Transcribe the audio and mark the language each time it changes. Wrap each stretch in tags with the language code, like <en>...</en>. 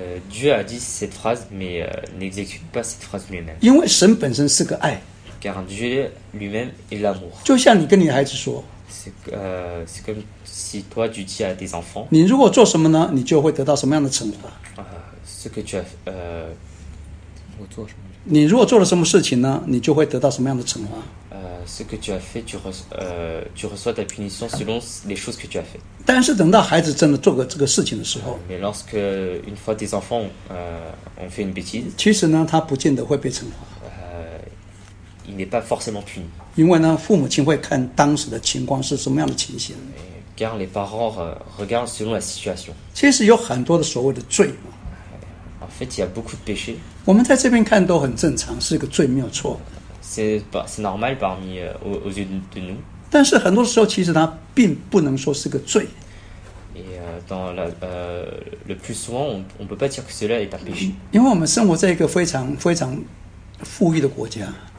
<fr>Dieu a dit cette phrase, mais n'exécute pas cette phrase lui-même.</fr> <zh>因为神本身是个爱。</zh> <fr>Car Dieu lui-même est l'amour.</fr> <zh>就像你跟你的孩子说,</zh> <fr>C'est comme si toi tu dis à tes enfants</fr> <zh>你如果做什么呢，你就会得到什么样的惩罚？</zh> <fr>ce que tu as,</fr> <zh>我做什么？你如果做了什么事情呢，你就会得到什么样的惩罚？</zh> <fr>ce que tu as fait, tu reçois ta punition selon les choses que tu as fait.</fr> <zh>但是等到孩子真的做个这个事情的时候</zh> <fr>mais lorsque une fois tes enfants ont fait une bêtise,</fr> <zh>其实呢，他不见得会被惩罚。</zh> <fr>Il n'est pas forcément puni.</fr> <zh>因为呢，父母亲会看当时的情况是什么样的情形。</zh> <fr>Car les parents regardent selon la situation.</fr> <zh>其实有很多的所谓的罪。</zh> <fr>En fait, il y a beaucoup de péchés.</fr> <zh>我们在这边看都很正常，是一个罪没有错。</zh> <fr>C'est normal parmi aux yeux de nous.</fr> <zh>但是很多时候，其实它并不能说是个罪。</zh> <fr>Et dans la, le plus souvent, on peut pas dire que cela est un péché.</fr> <zh>因为我们生活在一个非常非常富裕的国家。</zh>